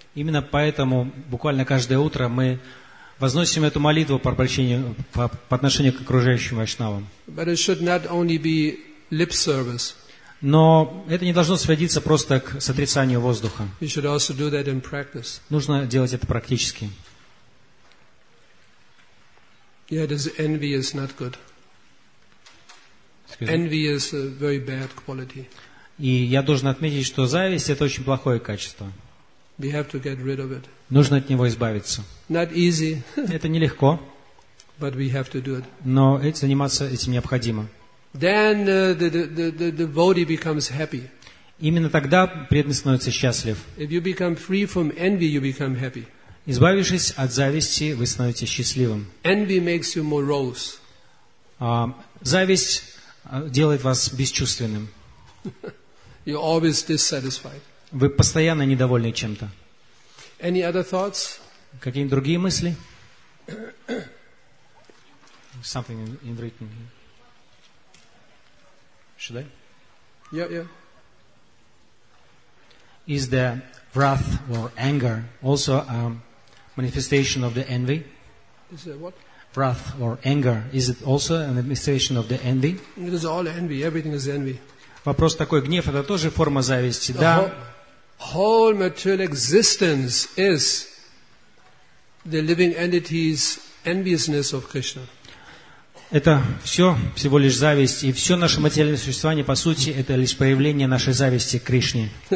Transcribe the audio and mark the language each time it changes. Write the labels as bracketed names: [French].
[Russian] Именно поэтому буквально каждое утро мы возносим эту молитву по обращению, по отношению к окружающим вайшнавам. [English] But it should not only be lip service. [Russian] Но это не должно сводиться просто к сотрясанию воздуха. [English] You should also do that in practice. [Russian] Нужно делать это практически. [English] Yeah, this envy is not good. Envy is a very bad quality. [Russian] И я должен отметить, что зависть — это очень плохое качество. [English] We have to get rid of it. [Russian] Нужно от него избавиться. [English] Not easy. [Russian] Это нелегко. [English] But we have to do it. [Russian] Но заниматься этим необходимо. [English] Then the devotee becomes happy. [Russian] Именно тогда преданный становится счастлив. [English] If you become free from envy, you become happy. [Russian] Избавившись от зависти, вы становитесь счастливым. [English] Envy makes you morose. [Russian] Зависть делает вас бесчувственным. [English] You're always dissatisfied. [Russian] Вы постоянно недовольны чем-то. [English] Any other thoughts? [Russian] Какие-нибудь другие мысли? [English] Something in written. Should I? Yeah, yeah. Is the wrath or anger also a manifestation of the envy? Is it what? Wrath or anger, is it also a manifestation of the envy? It is all envy. Everything is envy. [Russian] Вопрос такой: гнев — это тоже форма зависти? Да. [English] Whole material existence is the living entity's enviousness of Krishna. [Russian] Это все всего лишь зависть, и все наше материальное существование, по сути, это лишь проявление нашей зависти к Кришне.